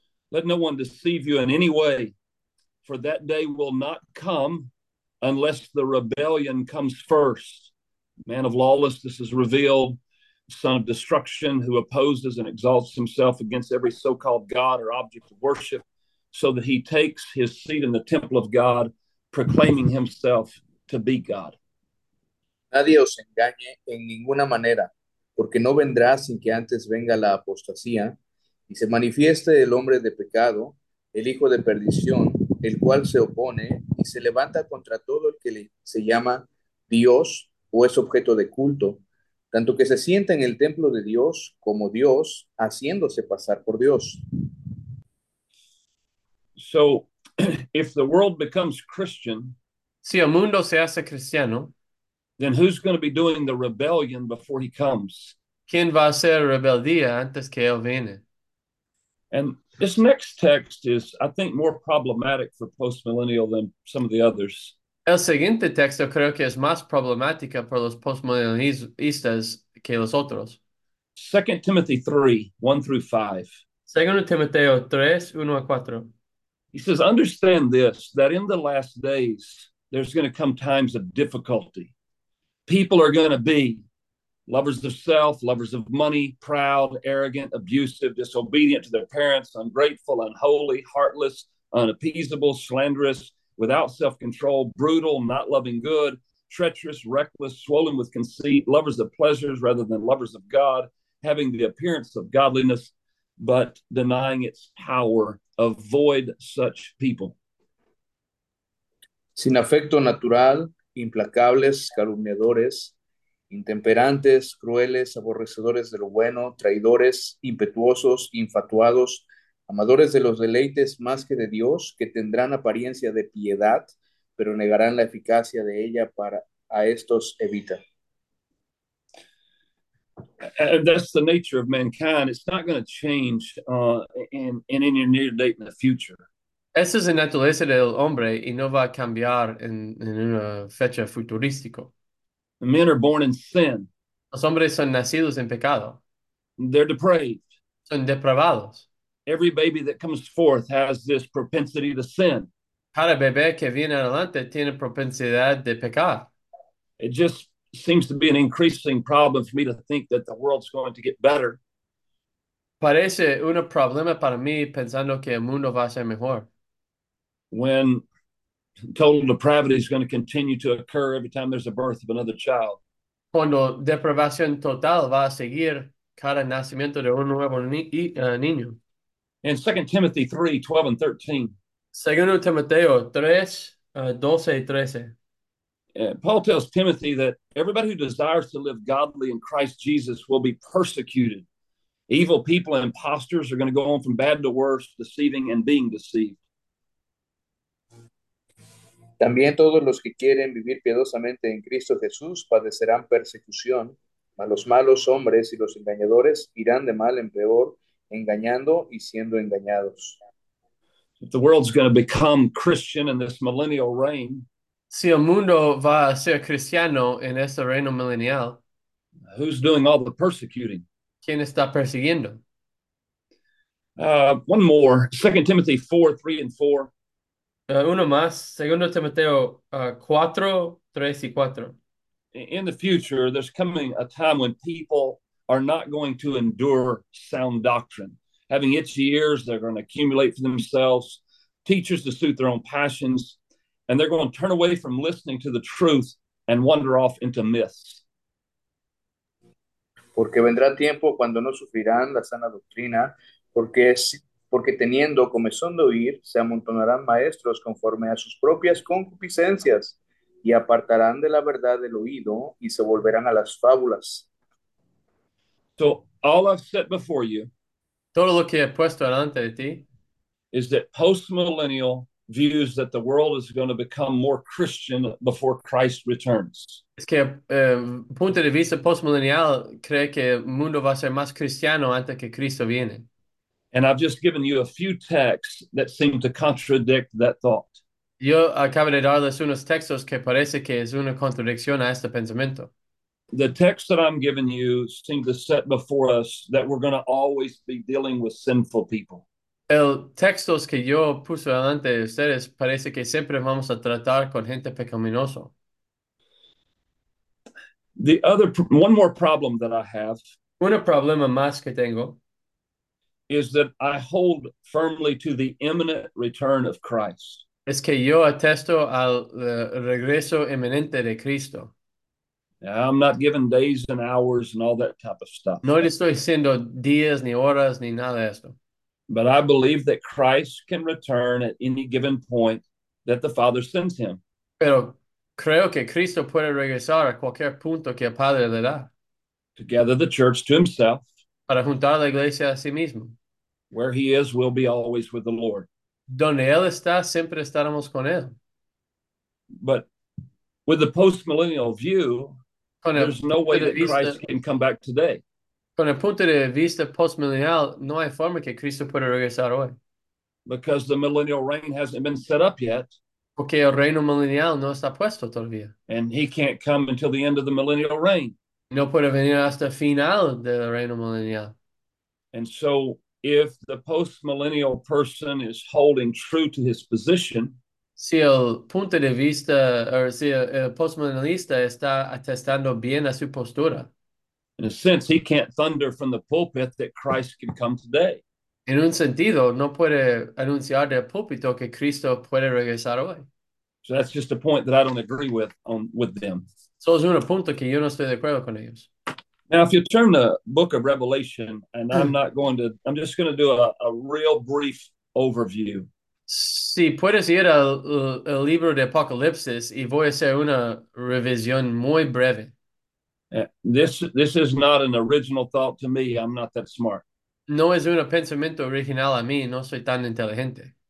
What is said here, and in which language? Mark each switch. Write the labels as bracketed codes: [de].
[en] Let no one deceive you in any way, for that day will not come unless the rebellion comes first. Man of lawlessness is revealed, son of destruction, who opposes and exalts himself against every so-called God or object of worship, so that he takes his seat in the temple of God, proclaiming himself to be God. [es] Nadie os engañe en ninguna manera, porque no vendrá sin que antes venga la apostasía y se manifieste el hombre de pecado, el hijo de perdición, el cual se opone y se levanta contra todo el que se llama Dios o es objeto de culto, tanto que se sienta en el templo de Dios como Dios, haciéndose pasar por Dios. [en] So, if the world becomes Christian, [es] Si el mundo se hace cristiano, [en] then who's going to be doing the rebellion before he comes? [es] ¿quién va a ser rebeldía antes que él viene? [en] And this next text is, I think, more problematic for postmillennial than some of the others. [es] El siguiente texto creo que es más problemática para los postmodernistas que los otros. [en] 2 Timothy 3:1-5. [es] Segundo Timoteo 3, 1 a 4. [en] He says, understand this, that in the last days, there's going to come times of difficulty. People are going to be lovers of self, lovers of money, proud, arrogant, abusive, disobedient to their parents, ungrateful, unholy, heartless, unappeasable, slanderous, without self-control, brutal, not loving good, treacherous, reckless, swollen with conceit, lovers of pleasures rather than lovers of God, having the appearance of godliness, but denying its power. Avoid such people. [es] Sin afecto natural, implacables, calumniadores, intemperantes, crueles, aborrecedores de lo bueno, traidores, impetuosos, infatuados, amadores de los deleites más que de Dios, que tendrán apariencia de piedad, pero negarán la eficacia de ella para a estos evita. [en] And that's the nature of mankind. It's not going to change in any near date in the future. [es] Esa es la naturaleza del hombre y no va a cambiar en una fecha futurística. [en] Men are born in sin. [es] Los hombres son nacidos en pecado. [en] They're depraved. [es] Son depravados. [en] Every baby that comes forth has this propensity to sin. [es] Cada bebé que viene adelante tiene propensidad de pecar. [en] It just seems to be an increasing problem for me to think that the world's going to get better. [es] Parece un problema para mí pensando que el mundo va a ser mejor. [en] When total depravity is going to continue to occur every time there's a birth of another child. [es] Cuando depravación total va a seguir cada nacimiento de un nuevo ni niño. [en] In 2 Timothy 3:12-13. [es] Segundo Timoteo 3, 12 y 13. [en] Paul tells Timothy that everybody who desires to live godly in Christ Jesus will be persecuted. Evil people and imposters are going to go on from bad to worse, deceiving and being deceived. [es] También todos los que quieren vivir piadosamente en Cristo Jesús padecerán persecución, A los malos hombres y los engañadores irán de mal en peor, engañando y siendo engañados. [en] If the world's going to become Christian in this millennial reign, [es] Si el mundo va a ser cristiano en este reino milenial, [en] who's doing all the persecuting? [es] ¿quién está persiguiendo? [en] One more, 2 Timothy 4, 3 and 4. [es] Uno más, segundo Timoteo, 4:3 y 4. [en] In the future, there's coming a time when people are not going to endure sound doctrine. Having itchy ears, they're going to accumulate for themselves teachers to suit their own passions, and they're going to turn away from listening to the truth and wander off into myths. [es] Porque vendrá tiempo cuando no sufrirán la sana doctrina, porque teniendo comezón de oír, se amontonarán maestros conforme a sus propias concupiscencias y apartarán de la verdad el oído y se volverán a las fábulas. [en] So, all I've set before you. [es] Todo lo que he puesto delante de ti. [en] Is that postmillennial views that the world is going to become more Christian before Christ returns? [es] Es que punto de vista postmillennial cree que el mundo va a ser más cristiano antes que Cristo viene. [en] And I've just given you a few texts that seem to contradict that thought. [es] Yo acabo de darles unos textos que parece que es una contradicción a este pensamiento. [en] The text that I'm giving you seem to set before us that we're going to always be dealing with sinful people. [es] El textos que yo puse delante de ustedes parece que siempre vamos a tratar con gente pecaminoso. [en] The other one more problem that I have [es] Un problema más que tengo. [en] is that I hold firmly to the imminent return of Christ. [es] Es que yo atesto al regreso inminente de Cristo. [en] Now, I'm not giving days and hours and all that type of stuff, [es] No le estoy diciendo días ni horas ni nada de esto. [en] but I believe that Christ can return at any given point that the Father sends him. [es] Pero creo que Cristo puede regresar a cualquier punto que el Padre le da [en] To gather the church to himself. [es] para juntar la iglesia a sí mismo. [en] Where he is, we'll be always with the Lord. [es] Donde Él está, siempre estaremos con Él. [en] But with the postmillennial view, [es] Con [en] there's [es] el [en] no way [es] punto de [en] that Christ [es] vista [en] can come back today. [es] postmillennial, no hay forma que Cristo pueda regresar hoy. [en] Because the millennial reign hasn't been set up yet. [es] Porque el reino milenial no está puesto todavía. [en] And he can't come until the end of the millennial reign. [es] No puede venir hasta el final del reino milenial. [en] And so, if the postmillennial person is holding true to his position, [es] Si el punto de vista, o si el postmillenialista está atestando bien a su postura. [en] in a sense, he can't thunder from the pulpit that Christ can come today. [es] En un sentido, no puede anunciar del púlpito que Cristo puede regresar hoy. [en] So that's just a point that I don't agree with on with them. [es] Solo es un punto que yo no estoy de acuerdo con ellos. [en] Now, if you turn the book of Revelation, and I'm just going to do a real brief overview. [es] Si puedes ir al libro de Apocalipsis y voy a hacer una revisión muy breve. [en] This is not an original thought to me. I'm not that smart. [es] No es un pensamiento original a mí, no soy tan inteligente.